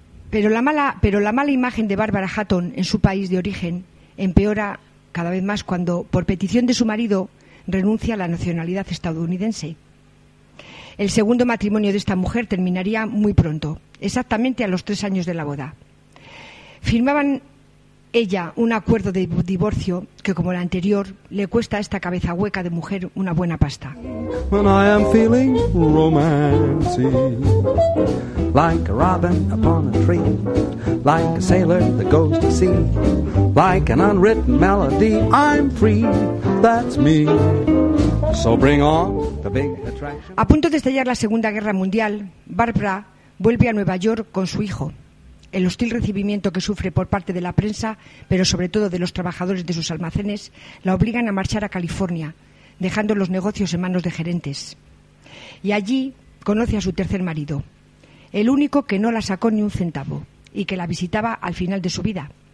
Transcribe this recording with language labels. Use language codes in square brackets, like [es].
[es] Pero la mala imagen de Barbara Hatton en su país de origen empeora cada vez más cuando, por petición de su marido, renuncia a la nacionalidad estadounidense. El segundo matrimonio de esta mujer terminaría muy pronto, exactamente a los 3 años de la boda. Firmaban ella un acuerdo de divorcio que, como el anterior, le cuesta a esta cabeza hueca de mujer una buena pasta. [en] When I am feeling romancy, like a robin upon a tree, like a sailor that goes to sea, like an unwritten melody, I'm free, that's me. So bring on the big attraction. [es] A punto de estallar la Segunda Guerra Mundial, Barbara vuelve a Nueva York con su hijo. El hostil recibimiento que sufre por parte de la prensa, pero sobre todo de los trabajadores de sus almacenes, la obligan a marchar a California, dejando los negocios en manos de gerentes. Y allí conoce a su tercer marido, el único que no la sacó ni un centavo y que la visitaba al final de su vida.